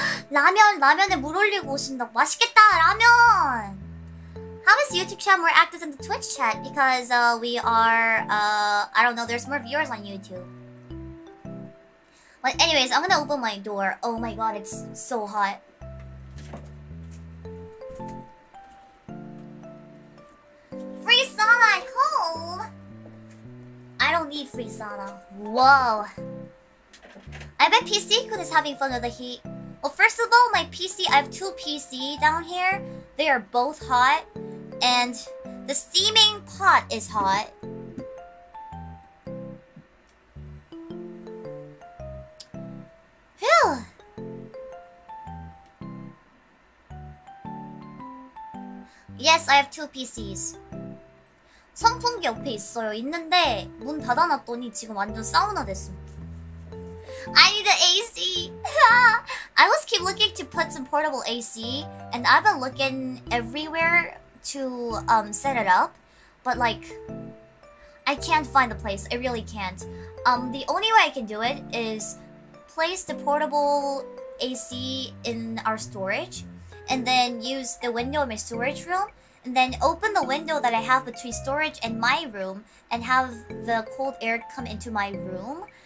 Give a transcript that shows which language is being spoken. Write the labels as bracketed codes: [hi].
[ko] 라면에 물 올리고 오신다. 맛있겠다, 라면! [en] How is YouTube chat more active than the Twitch chat? Because we are, I don't know, there's more viewers on YouTube. But anyways, I'm gonna open my door. Oh my god, it's so hot. Free sauna at home! I don't need free sauna. Whoa. I bet PC could is having fun with the heat. Well, first of all, my PC, I have 2 PC down here. They are both hot. And the steaming pot is hot. Phew! Yes, I have 2 PCs. [ko] 선풍기 옆에 있어요. 있는데 문 닫아놨더니 지금 완전 사우나 됐어. [en] I need an AC! I was keep looking to put some portable AC, and I've been looking everywhere to set it up, but like I can't find a place. I really can't. The only way I can do it is place the portable AC in our storage and then use the window in my storage room and then open the window that I have between storage and my room and have the cold air come into my room.